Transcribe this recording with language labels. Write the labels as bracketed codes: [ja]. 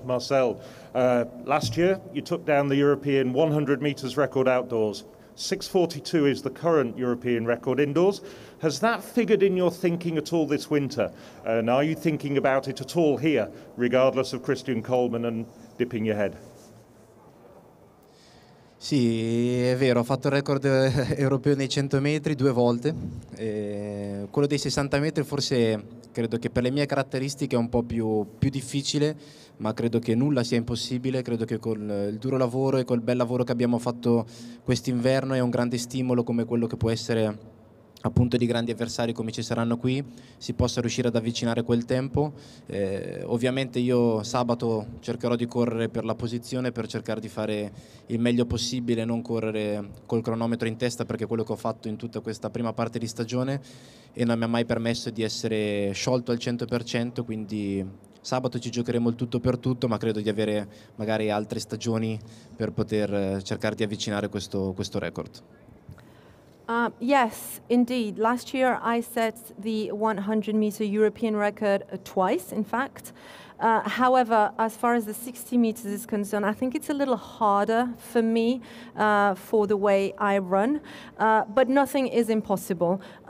[en] Marcel, last year you took down the European 100 meters record outdoors. 6:42 is the current European record indoors. Has that figured in your thinking at all this winter? And are you thinking about it at all here, regardless of Christian Coleman and dipping your head? [it] Sì, è vero, ho fatto il record europeo nei 100 metri 2 volte. E quello dei 60 metri forse credo che per le mie caratteristiche è un po' più difficile, ma credo che nulla sia impossibile. Credo che con il duro lavoro e col bel lavoro che abbiamo fatto quest'inverno è un grande stimolo come quello che può essere appunto di grandi avversari come ci saranno qui, si possa riuscire ad avvicinare quel tempo. Ovviamente io sabato cercherò di correre per la posizione per cercare di fare il meglio possibile, non correre col cronometro in testa, perché è quello che ho fatto in tutta questa prima parte di stagione e non mi ha mai permesso di essere sciolto al 100%, quindi sabato ci giocheremo il tutto per tutto, ma credo di avere magari altre stagioni per poter cercare di avvicinare questo record. [en] Yes, indeed. Last year I set the 100 meter European record twice, in fact. However, as far as the 60 meters is concerned, I think it's a little harder for me for the way I run, but nothing is impossible.